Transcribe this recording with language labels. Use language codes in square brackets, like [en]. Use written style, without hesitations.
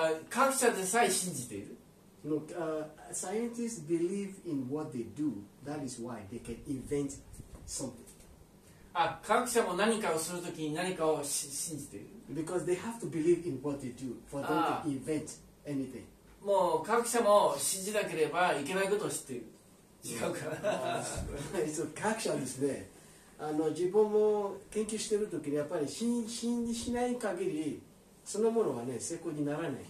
[ja] 科学者でさえ信じている。 [en] Look, scientists believe in what they do. That is why they can invent something. [ja] 科学者も何かをするときに何かを信じている。 [en] Because they have to believe in what they do for them to invent anything. [ja] もう科学者も信じなければいけないことを知っている。違うから。科学者ですね。自分も研究してるときにやっぱり信じしない限りそのものはね成功にならないですね。